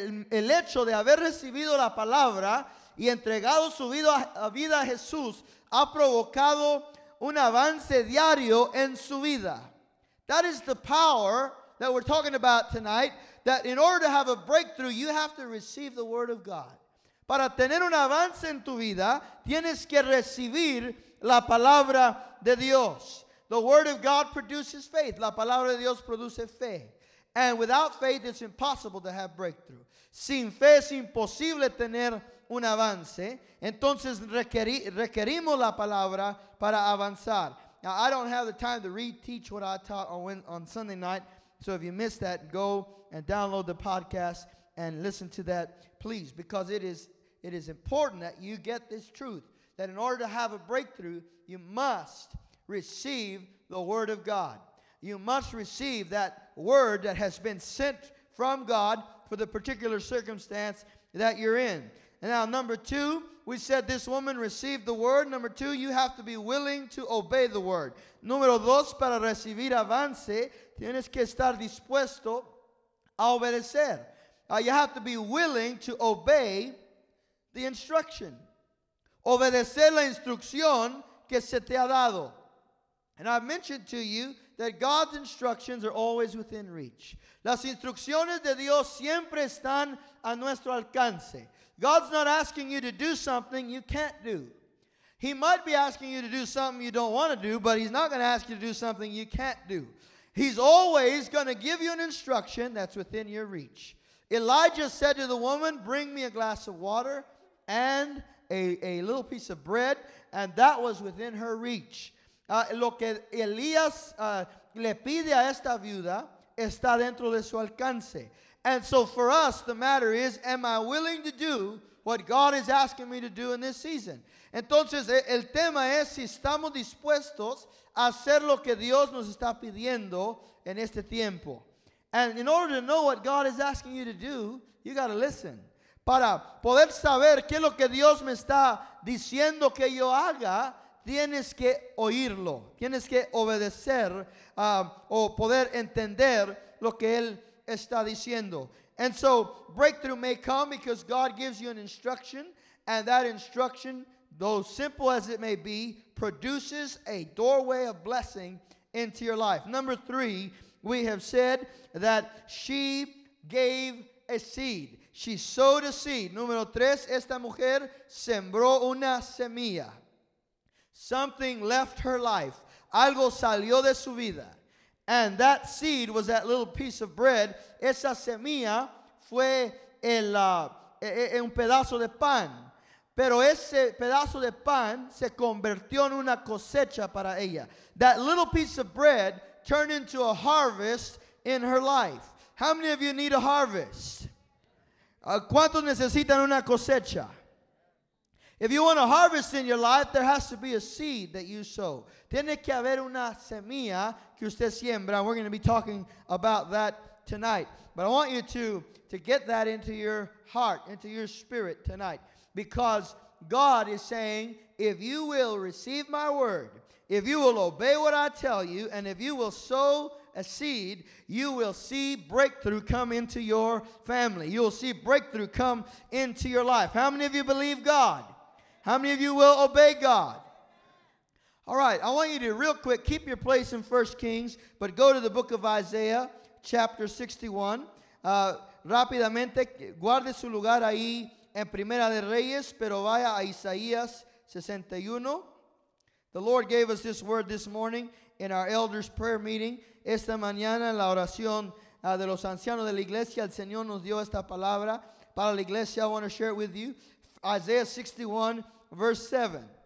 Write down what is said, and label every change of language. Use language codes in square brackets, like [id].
[es] El hecho de haber recibido la palabra y entregado su vida a Jesús ha provocado un avance diario en su vida. [en] That is the power that we're talking about tonight. That in order to have a breakthrough, you have to receive the word of God. [es] Para tener un avance en tu vida, tienes que recibir la palabra de Dios. [en] The word of God produces faith. [es] La palabra de Dios produce fe. [en] And without faith, it's impossible to have breakthrough. [es] Sin fe, es imposible tener un avance. Entonces, requerimos la palabra para avanzar. [en] Now, I don't have the time to reteach what I taught on Sunday night. So if you missed that, go and download the podcast and listen to that, please. Because it is important that you get this truth, that in order to have a breakthrough, you must receive the word of God. You must receive that word that has been sent from God for the particular circumstance that you're in. And now, number two, we said this woman received the word. Number two, you have to be willing to obey the word. [es] Número dos, para recibir avance, tienes que estar dispuesto a obedecer. [en] You have to be willing to obey the instruction. [es] Obedecer la instrucción que se te ha dado. [en] And I've mentioned to you that God's instructions are always within reach. [es] Las instrucciones de Dios siempre están a nuestro alcance. [en] God's not asking you to do something you can't do. He might be asking you to do something you don't want to do, but he's not going to ask you to do something you can't do. He's always going to give you an instruction that's within your reach. Elijah said to the woman, bring me a glass of water and a little piece of bread. And that was within her reach. [es] Lo que Elías le pide a esta viuda está dentro de su alcance. [en] And so for us, the matter is, am I willing to do what God is asking me to do in this season? [es] Entonces, el tema es si estamos dispuestos a hacer lo que Dios nos está pidiendo en este tiempo. [en] And in order to know what God is asking you to do, you got to listen. [es] Para poder saber qué es lo que Dios me está diciendo que yo haga, tienes que oírlo. Tienes que obedecer o poder entender lo que Él está diciendo. [en] And so, breakthrough may come because God gives you an instruction, and that instruction, though simple as it may be, produces a doorway of blessing into your life. Number three, we have said that she gave a seed. She sowed a seed. [es] Número tres, esta mujer sembró una semilla. [en] Something left her life. [es] Algo salió de su vida. [en] And that seed was that little piece of bread. [es] Esa semilla fue un pedazo de pan. Pero ese pedazo de pan se convirtió en una cosecha para ella. [en] That little piece of bread turned into a harvest in her life. How many of you need a harvest? [es] ¿Cuántos necesitan una cosecha? [en] If you want a harvest in your life, there has to be a seed that you sow. [es] Tiene que haber una semilla que usted siembra. [en] We're going to be talking about that tonight. But I want you to get that into your heart, into your spirit tonight. Because God is saying, if you will receive my word, if you will obey what I tell you, and if you will sow a seed, you will see breakthrough come into your family. You will see breakthrough come into your life. How many of you believe God? How many of you will obey God? All right, I want you to real quick keep your place in 1 Kings, but go to the book of Isaiah, chapter 61. [es] Rápidamente, guarde su lugar ahí en Primera de Reyes, pero vaya a Isaías 61. [en] The Lord gave us this word this morning in our elders' prayer meeting. [es] Esta mañana en la oración de los ancianos de la iglesia, el Señor nos dio esta palabra para la iglesia. [en] I want to share it with you. Isaiah 61, verse 7.